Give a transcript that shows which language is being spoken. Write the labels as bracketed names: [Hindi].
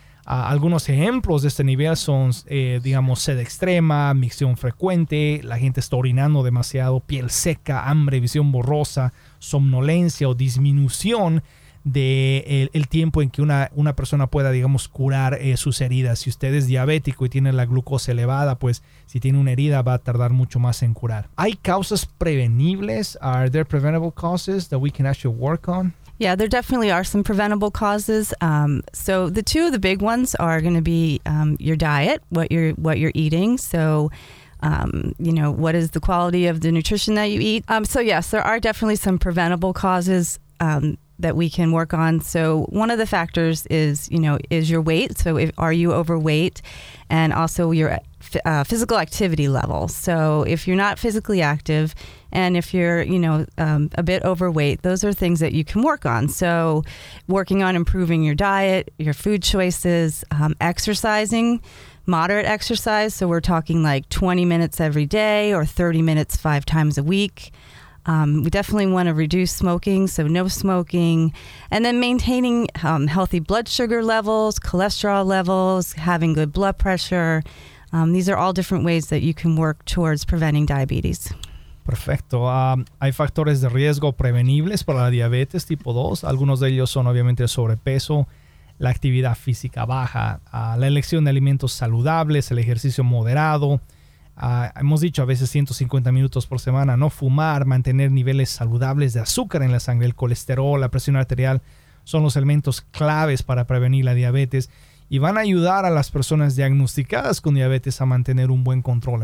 [Spanish] Algunos ejemplos de este nivel son, digamos, sed extrema, micción frecuente, la gente está orinando demasiado, piel seca, hambre, visión borrosa, somnolencia o disminución de el tiempo en que una persona pueda, digamos, curar sus heridas. Si usted es diabético y tiene la glucosa elevada, pues si tiene una herida va a tardar mucho más en curar. ¿Hay causas prevenibles? [English] Are there preventable causes that we can actually work on? Yeah, there definitely are some preventable causes. So the two of the big ones are going to be your diet, what you're eating. So, you know, what is the quality of the nutrition that you eat? So, yes, there are definitely some preventable causes that we can work on. So one of the factors is, you know, is your weight. So are you overweight? And also your physical activity level. So if you're not physically active and if you're, you know, a bit overweight, those are things that you can work on. So working on improving your diet, your food choices, exercising, moderate exercise. So we're talking like 20 minutes every day or 30 minutes five times a week. We definitely want to reduce smoking, so no smoking. And then maintaining healthy blood sugar levels, cholesterol levels, having good blood pressure. These are all different ways that you can work towards preventing diabetes. [Spanish] Perfecto. Hay factores de riesgo prevenibles para la diabetes tipo 2. Algunos de ellos son obviamente el sobrepeso, la actividad física baja, la elección de alimentos saludables, el ejercicio moderado, Hemos dicho a veces 150 minutos por semana, no fumar, mantener niveles saludables de azúcar en la sangre, el colesterol, la presión arterial, son los elementos claves para prevenir la diabetes y van a ayudar a las personas diagnosticadas con diabetes a mantener un buen control.